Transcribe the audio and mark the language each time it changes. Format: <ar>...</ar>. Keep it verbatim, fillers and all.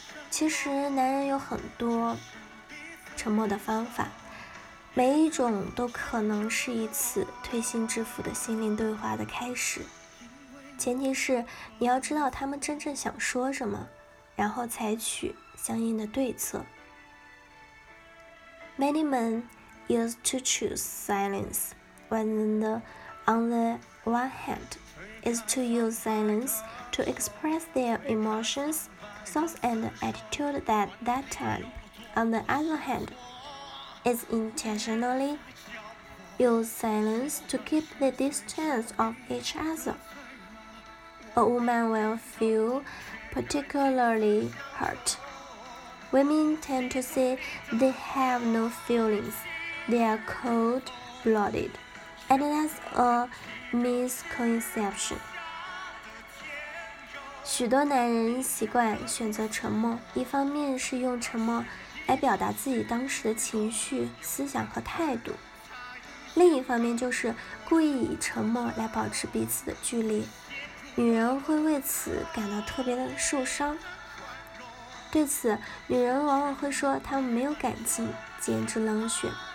<zh>其实男人有很多沉默的方法，每一种都可能是一次推心置腹的心灵对话的开始，前提是你要知道他们真正想说什么，然后采取相应的对策。</zh> <en>Many men used to choose silence when the, on the one hand is to use silence to express their emotions, thoughts and attitude that that time, on the other hand, is intentionally use silence to keep the distance of each other. A woman will feel particularly hurt. Women tend to say they have no feelings, they are cold-blooded, and that's a misconception.</en> <zh>许多男人习惯选择沉默，一方面是用沉默来表达自己当时的情绪、思想和态度，另一方面就是故意以沉默来保持彼此的距离。女人会为此感到特别的受伤，对此，女人往往会说他们没有感情，简直冷血。</zh>